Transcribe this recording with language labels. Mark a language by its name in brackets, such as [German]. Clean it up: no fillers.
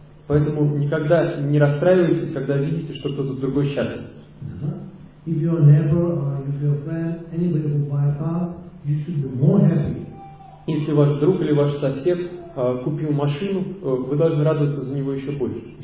[Russian] Поэтому никогда не расстраивайтесь, когда видите, что кто-то другой счастлив. [English] If your neighbor or if your friend, anybody who buy a car, you should be more happy. [Russian] Если ваш друг или ваш сосед купил машину, вы должны радоваться за него еще больше.